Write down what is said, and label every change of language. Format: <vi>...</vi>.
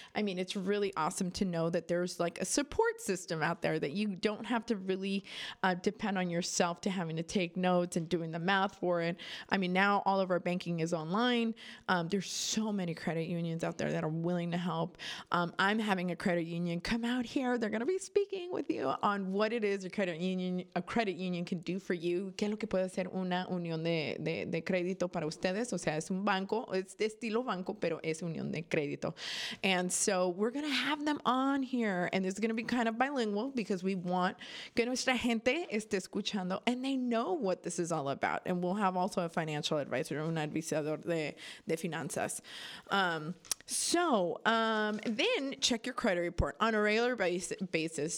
<en>I mean, it's really awesome to know that there's like a support system out there that you don't have to really depend on yourself to having to take notes and doing the math for it. I mean, now all of our banking is online. There's so many credit unions out there that are willing to help. I'm having a credit union come out here. They're going to be speaking with you on what it is a credit union can do for you.</en> <es>¿Qué es lo que puede hacer una unión de crédito para ustedes? O sea, es un banco. Es de estilo banco, pero es unión de crédito.</es> <en>And so we're going to have them on here, and it's going to be kind of bilingual because we want</en> <es>que nuestra gente esté escuchando</es> <en>and they know what this is all about. And we'll have also a financial advisor,</en> <es>un advisor de finanzas.</es> <en>Then check your credit report on a regular basis.</en>